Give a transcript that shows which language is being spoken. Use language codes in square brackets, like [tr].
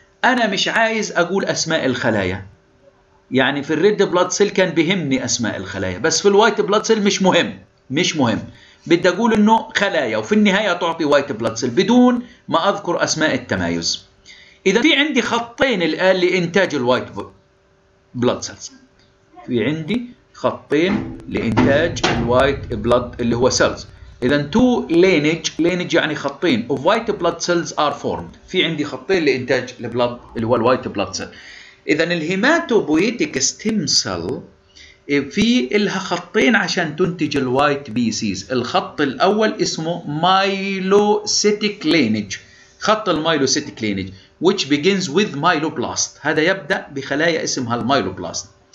[ar] أنا مش عايز أقول أسماء الخلايا، يعني في الريد بلد سيل كان بهمني أسماء الخلايا، بس في الوايت بلد سيل مش مهم، مش مهم، بدي أقول إنه خلايا وفي النهاية تعطي وايت بلد سيل بدون ما أذكر أسماء التمايز. إذا في عندي خطين الآن لإنتاج الوايت بلد سيل، في عندي خطين لإنتاج الوايت بلد اللي هو سيلز. إذن [en] two lineage، lineage [ar] يعني خطين [en] of white blood cells are formed. [ar] في عندي خطين لإنتاج البلد اللي هو الوايت بلد سيل. إذن الهيماتوبويتيك ستيم سيل في إلها خطين عشان تنتج الوايت بي سيز. الخط الأول اسمه مايلوسيتيك lineage، خط المايلوسيتيك lineage [en] which begins with myeloblast، [ar] هذا يبدأ بخلايا اسمها المايلوبلاست.